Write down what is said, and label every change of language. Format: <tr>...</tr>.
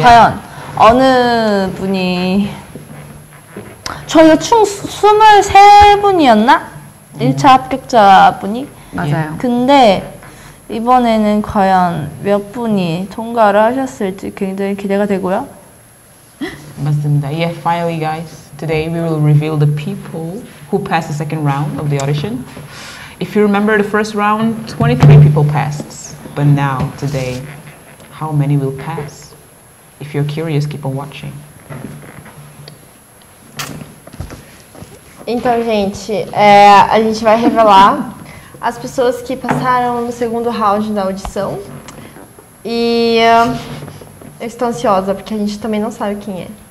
<ko>과연 어느 분이 저희가 총 23분이었나? 1차 합격자분이? 맞아요. 근데 이번에는 과연 몇 분이 통과를 하셨을지 굉장히 기대가 되고요. 맞습니다.</ko> <en>Yeah, finally guys. Today we will reveal the people who passed the second round of the audition. If you remember the first round, 23 people passed. But now, today, how many will pass? If you're curious, keep on watching.</en> <pt>Então, gente, é, a gente vai revelar as pessoas que passaram no segundo round da audição. E eu estou ansiosa, porque a gente também não sabe quem é.</pt>